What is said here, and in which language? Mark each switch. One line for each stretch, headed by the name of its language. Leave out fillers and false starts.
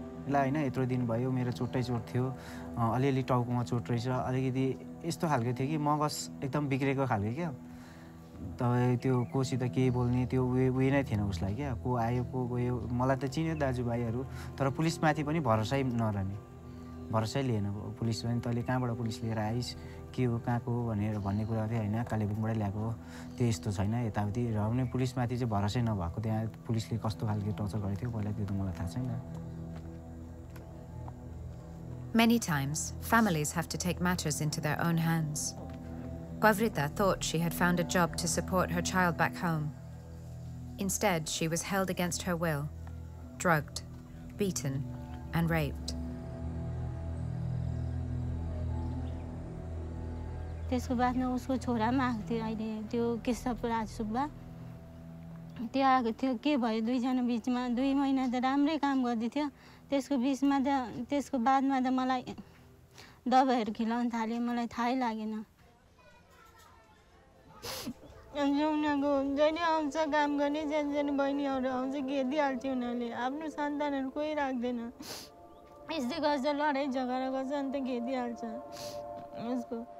Nepali: ल होइन यत्रो दिन भयो मेरो चोटै चोट थियो अलिअलि टाउकोमा चोट रहेछ अलिकति यस्तो खालको थियो कि मगज एकदम बिग्रेको खालको क्या तपाईँ त्यो कोसित केही बोल्ने त्यो उयो नै थिएन उसलाई क्या को आयो को गयो मलाई त चिन्यो दाजुभाइहरू तर पुलिसमाथि पनि भरोसै नरहने भरोसै लिएन पुलिस पनि तैँले कहाँबाट पुलिस लिएर आइस के हो कहाँको भनेर भन्ने कुरा चाहिँ होइन कालेबुङबाटै ल्याएको हो त्यो यस्तो छैन यताउति र पनि पुलिसमाथि चाहिँ भरोसै नभएको त्यहाँ पुलिसले कस्तो खालको टर्चर गरेको थियो पहिला त्यो त मलाई थाहा छैन
English: Many times families have to take matters into their own hands Pavrita thought she had found a job to support her child back home. Instead, she was held against her will, drugged, beaten, and raped.
Nepali: त्यसको बादमा उसको छोरा पनि आएको थियो अहिले त्यो किस्ता पुरा सुब्बा त्यो आएको थियो के भयो दुईजना बिचमा दुई महिना त राम्रै काम गर्दैथ्यो त्यसको बिचमा त त्यसको बादमा त मलाई दबाईहरू खिलाउन थाल्यो मलाई थाहै लागेन अनि उनीहरूको जहिले आउँछ काम गर्ने जान जाने बहिनीहरू आउँछ घेरिदिइहाल्थ्यो उनीहरूले आफ्नो सन्तानहरू कोही राख्दैन यस्तै गर्छ लडाइँ झगडा गर्छ अनि त घेरिदिइहाल्छ उसको